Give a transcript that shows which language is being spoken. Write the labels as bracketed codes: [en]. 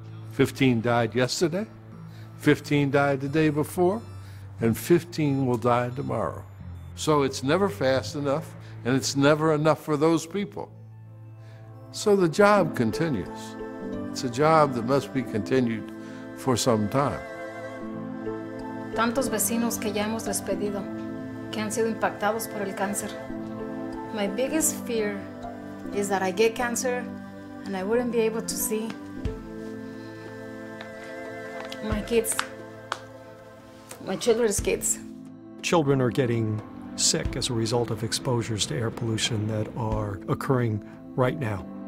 [en] 15 died yesterday, 15 died the day before, and 15 will die tomorrow. So it's never fast enough, and it's never enough for those people. So the job continues. It's a job that must be continued for some time. [es] Tantos vecinos que ya hemos despedido, que han sido impactados por el cáncer. [en] My biggest fear is that I get cancer and I wouldn't be able to see my kids, my children's kids. Children are getting sick as a result of exposures to air pollution that are occurring right now.